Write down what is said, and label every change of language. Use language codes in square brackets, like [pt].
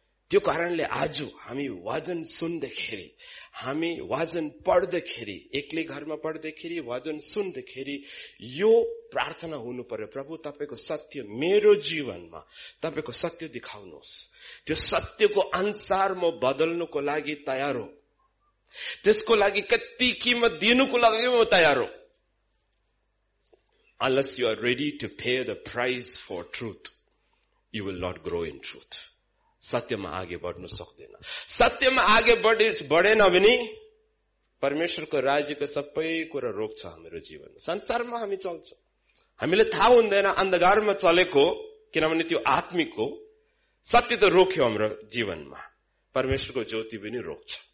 [ne] त्यो कारणले आज हामी वजन सुन्दाखेरि, हामी वजन पढ्दाखेरि, एक्लै घरमा पढ्दाखेरि, वजन सुन्दाखेरि यो प्रार्थना हुनु पर्यो, प्रभु तपाईँको सत्य मेरो जीवनमा तपाईँको सत्य देखाउनुहोस्, त्यो सत्यको अनुसार म बदल्नुको लागि तयार हो, त्यसको लागि कति कीमत दिनुको लागि म तयार हो. [en] Unless you are ready to pay the price for truth, you will not grow in truth. [ne] सत्यमा आगे बढ्नु सक्दैन. सत्यमा आगे बढेन भने परमेश्वरको राज्यको सबै कुरा रोक्छ हाम्रो जीवन. संसारमा हामी चल्छौँ, हामीले थाहा हुँदैन अन्धकारमा चलेको, किनभने त्यो आत्मिक हो. सत्य त रोक्यो हाम्रो जीवनमा, परमेश्वरको ज्योति पनि रोक्छ.